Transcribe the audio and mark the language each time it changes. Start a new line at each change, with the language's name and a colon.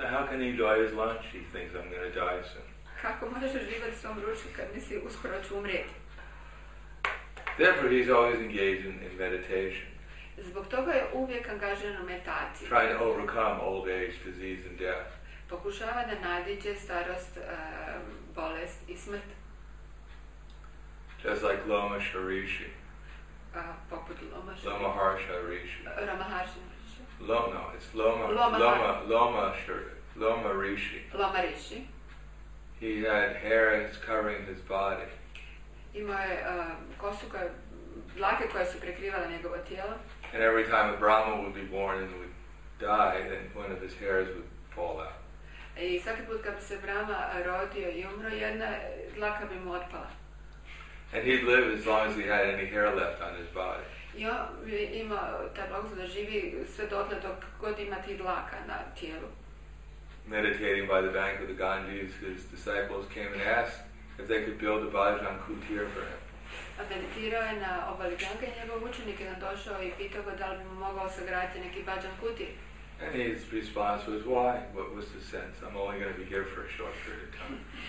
English: So how can he enjoy his lunch? He thinks I'm going to die soon.
Croatian: Kako može živjeti u svom ručku kad misli uskoro ću umrijeti?
English: Therefore, he's always engaged in meditation.
Croatian: Zbog toga je uvijek angažiran u meditaciji.
English: Try to overcome old age, disease and death.
Croatian: Pokušava da nadiđe starost, bolest i smrt.
English: Just like Loma Harishi.
Croatian: Poput Loma Harishi. Loma Harsha Rishi.
English: Ramaharsha. Loma, it's Loma. Loma. Loma. Loma Rishi. Loma Rishi. He had hair that's covering his body.
Croatian: Ima je kosu koje, dlake koje su prekrivala njegovo tijelo.
English: And every time a Brahma would be born and would die, then one of his hairs would fall out.
Croatian: I svaki put kad se Brahma rodio i umro, jedna dlaka bi mu otpala.
English: And he'd live as long as he had any hair left on his body.
Croatian: I ima taj blagoslov da živi sve dotle dok god ima tih dlaka na tijelu.
English: Meditating by the bank of the Ganges, his disciples came and asked if they could build a bhajan kutir for him.
Croatian: A meditirao je na obali Ganga i njegov učenik je došao i pitao ga da li bi mu mogao sagraditi neki bhajan kutir.
English: And his response was, why? What was the sense? I'm only going to be here for a short period of time.